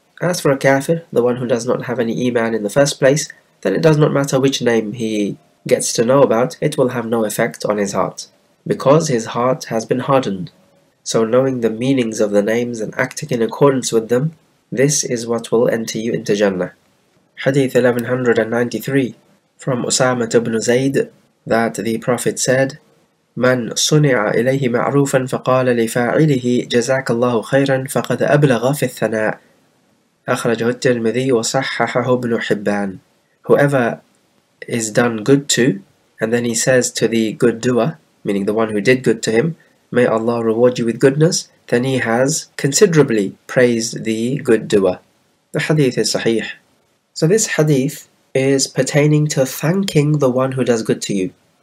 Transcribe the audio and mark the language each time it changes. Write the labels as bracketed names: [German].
[English] As for a kafir, the one who does not have any iman in the first place, then it does not matter which name he gets to know about, it will have no effect on his heart, because his heart has been hardened. So knowing the meanings of the names and acting in accordance with them, this is what will enter you into Jannah. Hadith 1193 from Usama ibn Zayd that the Prophet said, [Arabic] من صنع إليه معروفا فقال لفاعله جزاك الله خيرا فقد أبلغ في الثناء. أخرجه الترمذي وصححه ابن حبان. [English] Whoever is done good to, and then he says to the good doer, meaning the one who did good to him, may Allah reward you with goodness, then he has considerably praised the good doer. The hadith is sahih. So this hadith is pertaining to thanking the one who does good to you.